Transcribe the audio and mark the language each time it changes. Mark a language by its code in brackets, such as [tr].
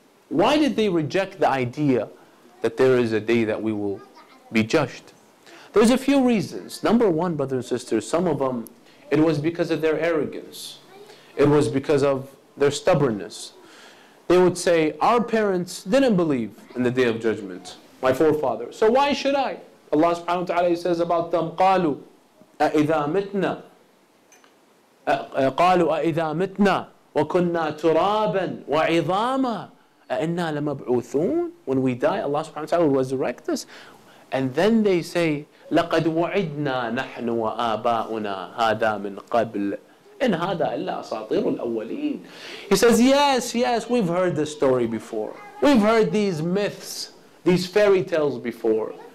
[en] Why did they reject the idea that there is a day that we will be judged? There's a few reasons. Number one, brothers and sisters, some of them, it was because of their arrogance. It was because of their stubbornness. They would say, our parents didn't believe in the day of judgment, my forefather. So why should I? [ar] Allah subhanahu wa ta'ala [en] says about them, [ar] قَالُوا أَإِذَا مِتْنَا قَالُوا أَإِذَا مِتْنَا وَكُنَّا تُرَابًا وَعِظَامًا أَإِنَّا لَمَبْعُوثُونَ. [en] When we die, Allah subhanahu wa ta'ala will resurrect us. [ar] And then they say, لَقَدْ وَعِدْنَا نَحْنُ وَآبَاؤُنَا هَذَا مِنْ قَبْلِ إِنْ هَذَا إِلَّا أَسَاطِيرُ الْأَوَّلِينَ. He says, yes, yes, we've heard this story before. [en] We've heard these myths, these fairy tales before.